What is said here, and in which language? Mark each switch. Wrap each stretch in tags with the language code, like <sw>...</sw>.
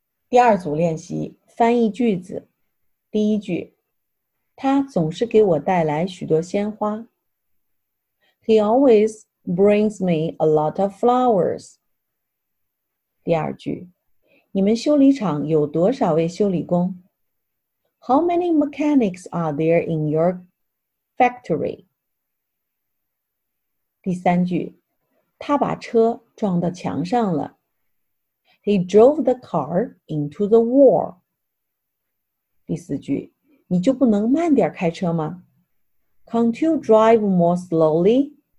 <zh>第二组练习翻译句子。第一句，他总是给我带来许多鲜花。</zh> <en>He always brings me a lot of flowers.</en> <zh>第二句，你们修理厂有多少位修理工？</zh> <en>How many mechanics are there in your factory?</en> <zh>第三句，他把车撞到墙上了。</zh> <en>He drove the car into the wall.</en> <zh>第四句，你就不能慢点开车吗？</zh> <en>Can't you drive more slowly?</en>